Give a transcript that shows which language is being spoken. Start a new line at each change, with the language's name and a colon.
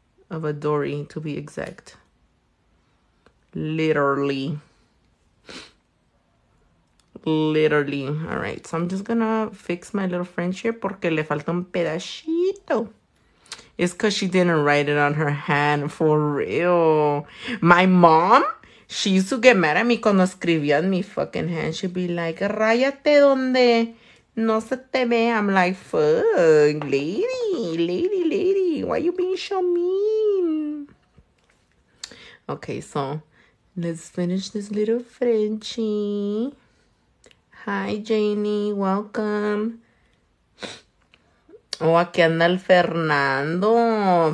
English: Of a dory, to be exact. Literally. Literally. All right. So I'm just going to fix my little French here
Spanish: porque le falta un pedacito.
English: It's because she didn't write it on her hand. For real. My mom? She used to get mad at me
Spanish: cuando escribía en mi
English: fucking hand. She'd be like,
Spanish: ráyate donde... No se te ve.
English: I'm like, fuck, lady, why you being so mean? Okay, so let's finish this little Frenchie. Hi, Janie, welcome. Oh,
Spanish: aquí anda el
English: Fernando.